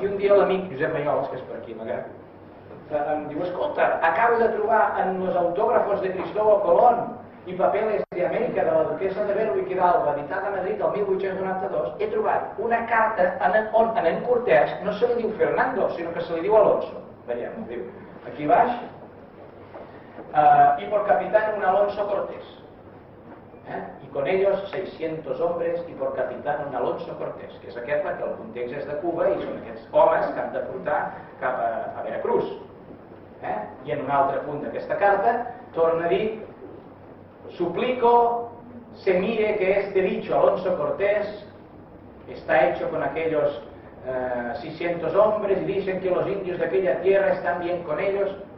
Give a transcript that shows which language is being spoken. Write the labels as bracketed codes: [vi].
[ca] I un dia l'amic Josep Maiolas, que és per aquí, m'agrada, em diu, escolta, acabo de trobar en els autògrafos de Cristóbal Colón i papeles de Amèrica de la duquesa de Berwick i d'Alba, editada a Madrid el 1892, he trobat una carta on a en Cortés no se li diu Fernando, sinó que se li diu Alonso. Veiem, ho diu, aquí baix. [es] I por capitán un Alonso Cortés. Y con ellos 600 hombres y por capitán un Alonso Cortés, [ca] que és aquest perquè el context és de Cuba i són aquests homes que han de portar cap a Veracruz. I en un altre punt d'aquesta carta torna a dir [es] suplico se mire que este dicho Alonso Cortés está hecho con aquellos 600 hombres y dicen que los indios de aquella tierra están bien con ellos.